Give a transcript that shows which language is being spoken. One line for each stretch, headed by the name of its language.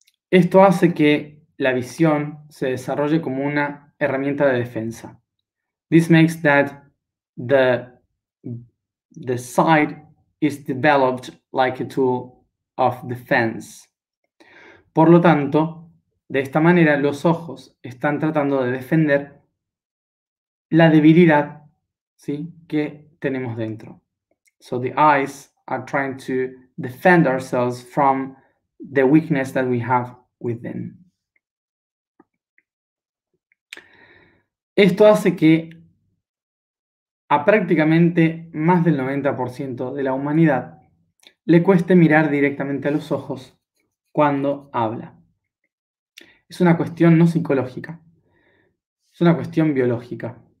Spanish: Esto hace que la visión se desarrolle como una herramienta de defensa.
English: This makes that the sight is developed like a tool of defense.
Spanish: Por lo tanto, de esta manera, los ojos están tratando de defender la debilidad, ¿sí?, que tenemos dentro.
English: So the eyes are trying to defend ourselves from the weakness that we have within.
Spanish: Esto hace que a prácticamente más del 90% de la humanidad le cueste mirar directamente a los ojos cuando habla. Es una cuestión no psicológica, es una cuestión biológica.